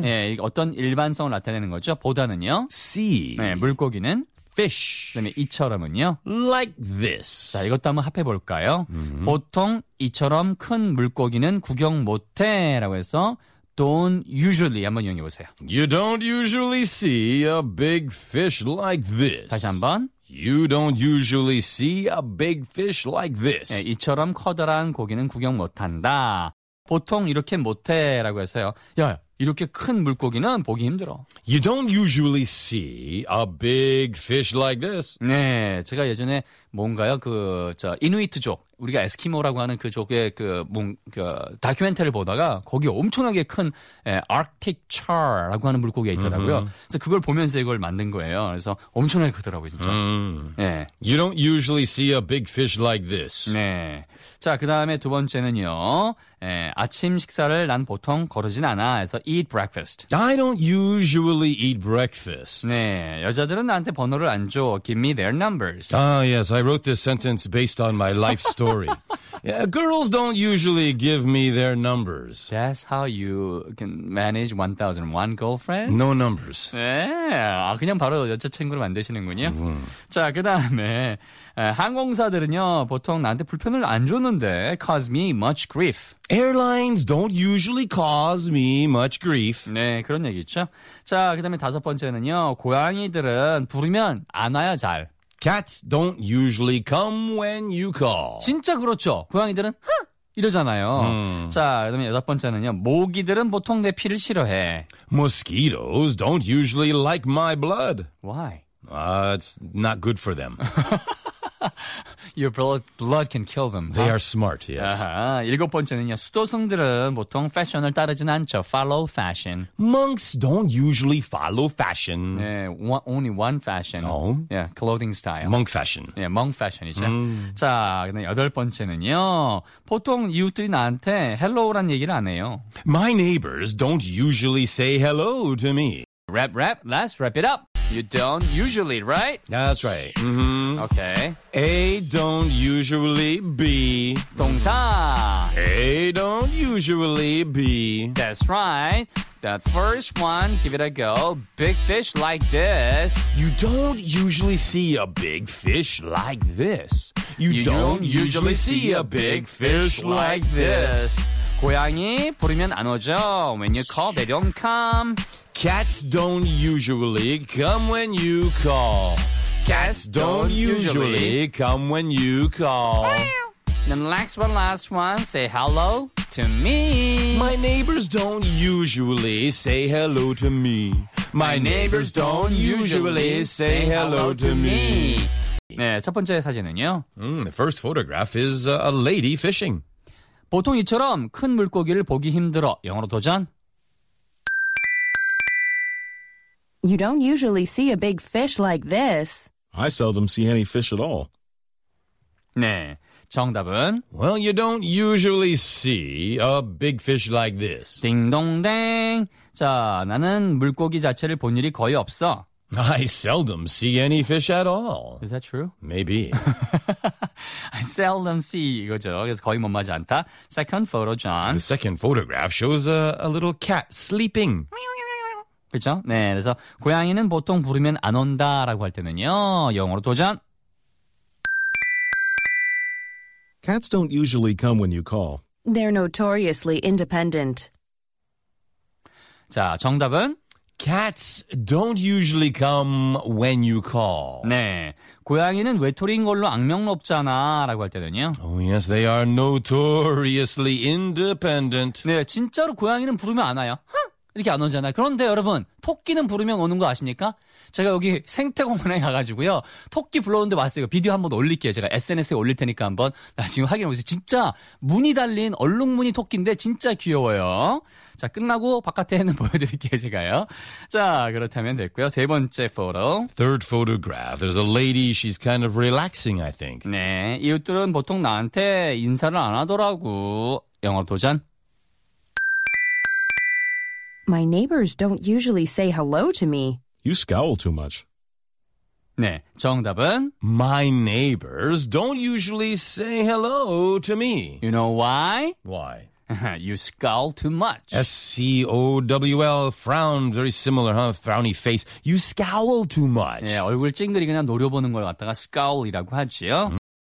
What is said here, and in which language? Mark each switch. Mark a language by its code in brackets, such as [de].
[ko] 네, 어떤 일반성을 나타내는 거죠. 보다는요. [en] See. [ko] 네, 물고기는. [en] Fish. [ko] 그다음에 이처럼은요. [en] Like this. [ko] 자, 이것도 한번 합해볼까요? 보통 이처럼 큰 물고기는 구경 못해 라고 해서 [en] Don't usually [ko] 한번 이용해 보세요. [en] You don't usually see a big fish like this. [ko] 다시 한번. [en] You don't usually see a big fish like this. [ko] 네, 이처럼 커다란 고기는 구경 못한다. 보통 이렇게 못해라고 해서요. 야, 이렇게 큰 물고기는 보기 힘들어. [en] You don't usually see a big fish like this. [ko] 네, 제가 예전에 뭔가요, 그 저 이누이트족, 우리가 에스키모라고 하는 그 족의 그 다큐멘터리를 보다가 거기 엄청나게 큰 Arctic char라고 하는 물고기가 있더라고요. 그래서 그걸 보면서 이걸 만든 거예요. 그래서 엄청나게 크더라고요, 진짜. 네. [en] You don't usually see a big fish like this. [ko] 네. 자, 그다음에 두 번째는요. 예, 아침 식사를 난 보통 거르진 않아. 해서 [en] eat breakfast. I don't usually eat breakfast. [ko] 네. 여자들은 나한테 번호를 안 줘. [en] Give me their numbers. Ah, yes. I wrote this sentence based on my life story. Yeah, girls don't usually give me their numbers. That's how you can manage 1001 girlfriends? No numbers. [ko] 네. 아, 그냥 바로 여자친구를 만드시는군요. 자, 그 다음에 항공사들은요. 보통 나한테 불편을 안 줬는데 [en] cause me much grief. Airlines don't usually cause me much grief. [ko] 네, 그런 얘기 있죠. 자, 그 다음에 다섯 번째는요. 고양이들은 부르면 안 와야 잘. [en] Cats don't usually come when you call. [ko] 진짜 그렇죠. 고양이들은 하! 이러잖아요. 자, 그다음에 여섯 번째는요. 모기들은 보통 내 피를 싫어해. [en] Mosquitoes don't usually like my blood. Why? It's not good for them. Your blood can kill them. They are smart, yes. [ko] 일곱 번째는요. 수도승들은 보통 패션을 따르진 않죠. [en] Follow fashion. Monks don't usually follow fashion. 네, only one fashion. No. Yeah, clothing style. Monk fashion. [ko] 네, [en] monk fashion [ko] 이죠. 자, 근데 여덟 번째는요. 보통 이웃들이 나한테 hello란 얘기를 안 해요. [en] My neighbors don't usually say hello to me. Wrap, wrap. Let's wrap it up. You don't usually, right? That's right. Okay. A don't usually B. [ko] 동사. [en] A don't usually B. That's right. The first one, give it a go. Big fish like this. You don't usually see a big fish like this. You don't usually see a big fish like this. [ko] 고양이 부르면 안 오죠. [en] When you call, they don't come. Cats don't usually come when you call. Cats don't usually come when you call. Then last one, say hello to me. My neighbors don't usually say hello to me. My neighbors don't usually say hello to me. [ko] 네, 첫 번째 사진은요. [en] The first photograph is a lady fishing. [ko] 보통 이처럼 큰 물고기를 보기 힘들어. 영어로 도전. [en] You don't usually see a big fish like this. I seldom see any fish at all. [ko] 네, 정답은? [en] Well, you don't usually see a big fish like this. [ko] 딩동댕. 자, 나는 물고기 자체를 본 일이 거의 없어. [en] I seldom see any fish at all. Is that true? Maybe. I seldom see [ko] 이거죠. 그래서 거의 못 마지 않다. [en] Second photo, John. The second photograph shows a little cat sleeping. [ko] 그렇죠? 네, 그래서 고양이는 보통 부르면 안 온다라고 할 때는요. 영어로 도전. [en] Cats don't usually come when you call. They're notoriously independent. [ko] 자, 정답은? [en] Cats don't usually come when you call. [ko] 네, 고양이는 외톨이인 걸로 악명 높잖아 라고 할 때는요. [en] Oh yes, they are notoriously independent. [ko] 네, 진짜로 고양이는 부르면 안 와요. 이렇게 안 오잖아요. 그런데 여러분, 토끼는 부르면 오는 거 아십니까? 제가 여기 생태공원에 가가지고요. 토끼 불러오는데 왔어요. 비디오 한번 올릴게요. 제가 SNS에 올릴 테니까 한번 나 지금 확인해 보세요. 진짜 무늬 달린 얼룩무늬 토끼인데 진짜 귀여워요. 자, 끝나고 바깥에는 보여드릴게요, 제가요. 자, 그렇다면 됐고요. 세 번째 포토. [en] Third photograph. There's a lady. She's kind of relaxing, I think. [ko] 네, 이웃들은 보통 나한테 인사를 안 하더라고. 영어 도전. [en] My neighbors don't usually say hello to me. You scowl too much. [ko] 네, 정답은 [en] My neighbors don't usually say hello to me. You know why? Why? You scowl too much. S-C-O-W-L, frown, very similar, huh? Frowny face. You scowl too much. [ko] 네, 얼굴 찡그리거나 노려보는 걸 갖다가 scowl이라고 하지요.